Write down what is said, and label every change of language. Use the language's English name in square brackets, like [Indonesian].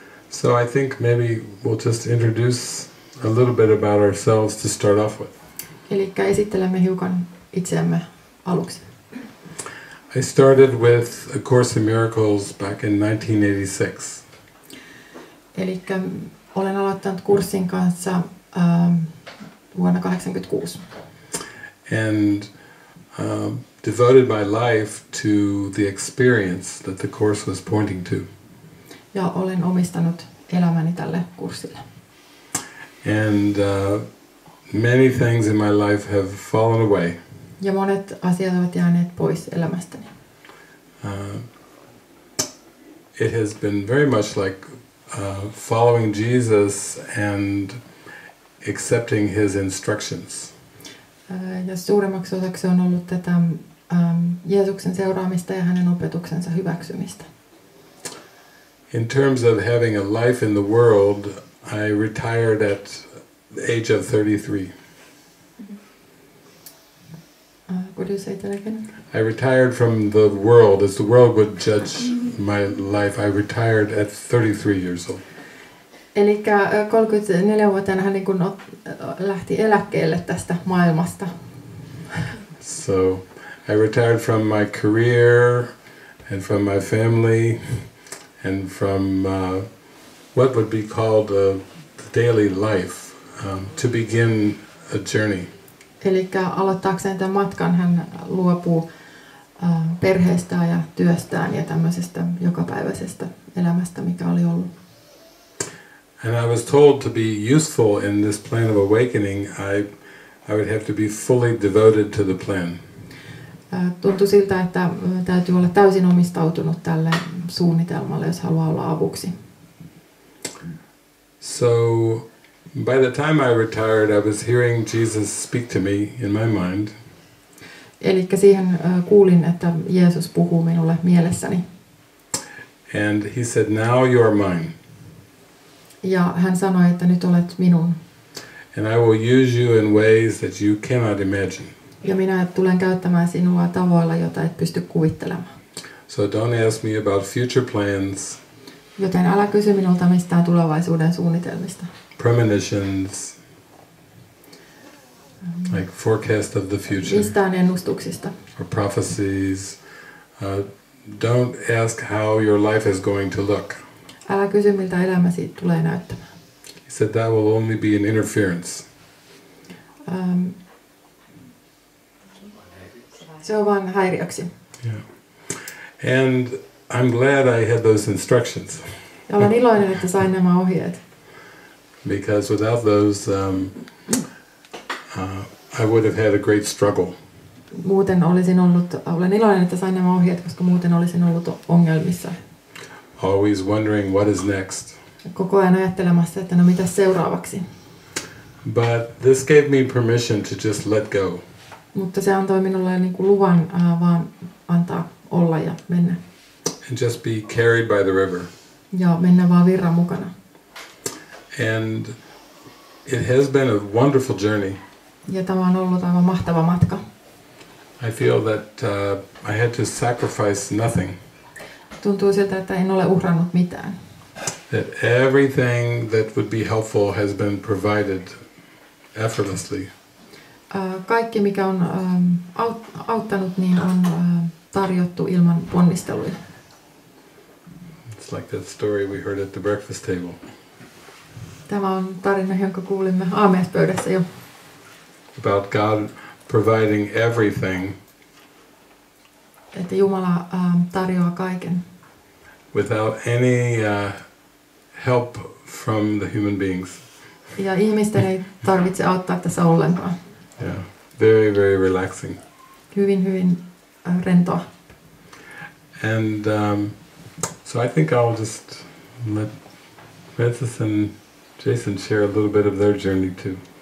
[English] So I think maybe we'll just introduce a little bit about ourselves to start off with. [Finnish] Eli esittelemme hiukan itseämme aluksi. [English] I started with A Course in Miracles back in 1986. [Finnish] Elikkä olen aloittanut kurssin kanssa vuonna 1986. [English] And devoted my life to the experience that the course was pointing to. [Finnish] Ja olen omistanut elämäni tälle kurssille. [English] And many things in my life have fallen away. [Finnish] Ja monet asiat ovat jääneet pois elämästäni. [English] It has been very much like following Jesus and accepting his instructions. [Finnish] Ja suuremmaksi osaksi on ollut tätä Jeesuksen seuraamista ja hänen opetuksensa hyväksymistä. [English] In terms of having a life in the world, I retired at the age of 33. What do you say that again? I retired from the world, as the world would judge my life. I retired at 33 years old. [Finnish] Elikkä 34-vuotiaana hän niin kuin lähti eläkkeelle tästä maailmasta. [English] So, I retired from my career and from my family and from what would be called a daily life to begin a journey. [Finnish] Elikkä aloittaakseen tämän matkan hän luopuu perheestään ja työstään ja tämmöisestä jokapäiväisestä elämästä, mikä oli ollut. [English] And I was told to be useful in this plan of awakening, I would have to be fully devoted to the plan. [Finnish] Tuntui siltä, että täytyy olla täysin omistautunut tälle suunnitelmalle, jos haluaa olla avuksi. [English] So, by the time I retired, I was hearing Jesus speak to me in my mind. [Finnish] Eli siihen kuulin, että Jeesus puhuu minulle mielessäni. [English] And he said, now you are mine. [Finnish] Ja hän sanoi, että nyt olet minun. [English] And I will use you in ways that you cannot imagine. [Finnish] Ja minä tulen käyttämään sinua tavoilla, jota et pysty kuvittelemaan. [English] So don't ask me about future plans. [Finnish] Joten älä kysy minulta mistään tulevaisuuden suunnitelmista. [English] Premonitions. Like forecast of the future. [Finnish] Mistään ennustuksista. [English] Or prophecies. Don't ask how your life is going to look. [Finnish] Älä kysy, miltä elämäsi tulee näyttämään. [English] He said that will only be an interference. [Finnish] Se on vain häiriöksi. [English] Yeah. And I'm glad I had those instructions. [Finnish] Ja olen iloinen, että sain nämä ohjeet. [English] Because without those, I would have had a great struggle. [Finnish] Muuten olisin ollut, olen iloinen, että sain nämä ohjeet, koska muuten olisin ollut ongelmissa. [English] Always wondering what is next. [Finnish] Koko ajan ajattelemassa, että no mitä seuraavaksi. [English] But this gave me permission to just let go. [Finnish] Mutta se antoi minulle niin kuin luvan vaan antaa olla ja mennä. [English] And just be carried by the river. [Finnish] Ja mennä vaan virran mukana. [English] And it has been a wonderful journey. [Finnish] Ja tämä on ollut aivan mahtava matka. [English] I feel that I had to sacrifice nothing. [Finnish] Tuntuu siltä, että en ole uhrannut mitään. [English] That everything that would be helpful has been provided effortlessly. [Finnish] Kaikki mikä on auttanut, niin on tarjottu ilman ponnisteluja. [English] It's like that story we heard at the breakfast table. [Finnish] Tämä on tarina, jonka kuulimme aamiaispöydässä jo. [English] About God providing everything. [Finnish] Että Jumala tarjoaa kaiken. [English] Without any help from the human beings. [Finnish] Ja ihmisten ei tarvitse auttaa tässä ollenkaan. [English] Yeah, very, very relaxing. [Finnish] Hyvin, hyvin rentoa. [English] And So I think I'll just let Francis and Jason share a little bit of their journey too.